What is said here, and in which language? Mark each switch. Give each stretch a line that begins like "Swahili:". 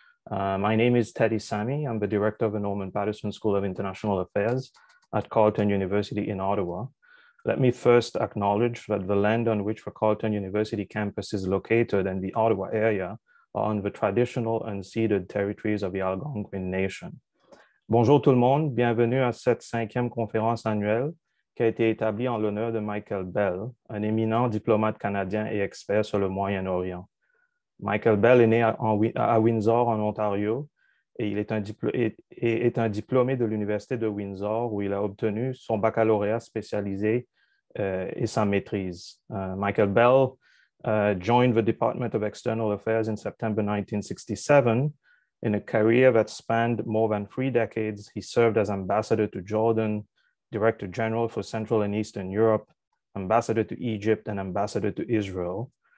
English: My name is Teddy Sammy. I'm the director of the Norman Patterson School of International Affairs at Carleton University in Ottawa. Let me first acknowledge that the land on which the Carleton University campus is located and the Ottawa area are on the traditional unceded territories of the Algonquin Nation.
French: Bonjour tout le monde, bienvenue à cette cinquième conférence annuelle qui a été établie en l'honneur de Michael Bell, un éminent diplomate canadien et expert sur le Moyen-Orient. Michael Bell est né à Windsor, en Ontario, et il est un diplômé de l'Université de Windsor où il a obtenu son baccalauréat spécialisé et sa maîtrise.
English: Michael Bell joined the Department of External Affairs in September 1967. In a career that spanned more than three decades, he served as ambassador to Jordan, director general for Central and Eastern Europe, ambassador to Egypt, and ambassador to Israel.